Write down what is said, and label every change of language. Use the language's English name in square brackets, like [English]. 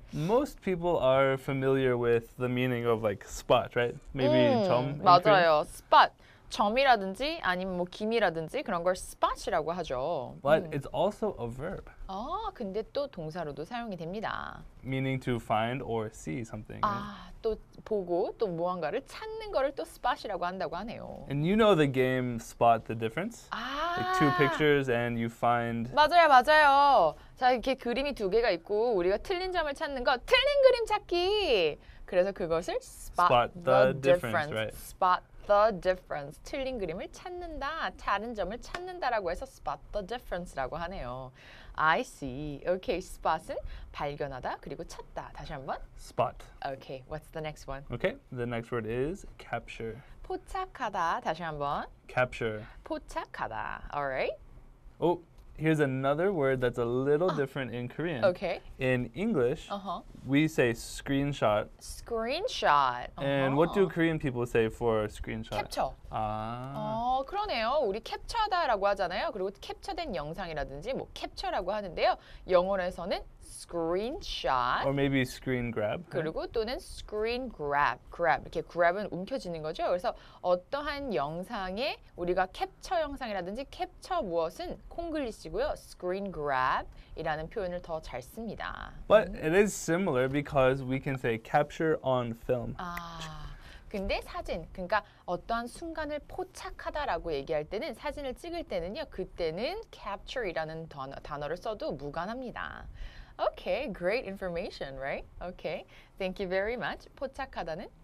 [English] Most people are familiar with the meaning of like spot, right? [Korean] Maybe 점. 맞아요. Spot. 점이라든지 아니면 뭐 김이라든지 그런 걸 spot이라고 하죠. [English] But it's also a verb. [Korean] 아, 근데 또 동사로도 사용이 됩니다. [English] Meaning to find or see something. [Korean] 아, 또 보고 또 무언가를 찾는 거를 또 spot이라고 한다고 하네요. [English] And you know the game Spot the Difference? [Korean] 아, [English] like two pictures and you find. [Korean] 맞아요, 맞아요. 자, 이렇게 그림이 두 개가 있고 우리가 틀린 점을 찾는 거, 틀린 그림 찾기. 그래서 그것을 [English] spot the difference. Spot the difference. [Korean] 틀린 그림을 찾는다. 다른 점을 찾는다라고 해서 spot the difference라고 하네요. [English] I see. [Korean] Okay, spot은 발견하다 그리고 찾다. 다시 한번. [English] Spot. Okay, what's the next one? Okay, the next word is capture. [Korean] 포착하다. 다시 한번. [English] Capture. [Korean] 포착하다. [English] All right. Oh, here's another word that's a little different in Korean. Okay. In English, we say screenshot. Screenshot. And what do Korean people say for screenshot? Capture. [Korean] 아. 그러네요. 우리 캡처하다라고 하잖아요. 그리고 캡처된 영상이라든지 뭐 캡처라고 하는데요. 영어에서는 screenshot. [English] Or maybe screen grab. [Korean] 그리고 또는 screen grab. Grab. 이렇게 grab은 움켜쥐는 거죠. 그래서 어떠한 영상에 우리가 캡처 영상이라든지 캡처 무엇은 콩글리시고요. [English] Screen grab. [Korean] 이라는 표현을 더 잘 씁니다. [English] But it is similar because we can say capture on film. [Korean] 아, 근데 사진, 그러니까 어떠한 순간을 포착하다라고 얘기할 때는 사진을 찍을 때는요, 그때는 capture이라는 단어를 써도 무관합니다. [English] Okay, great information, right? Okay, thank you very much. [Korean] 포착하다는?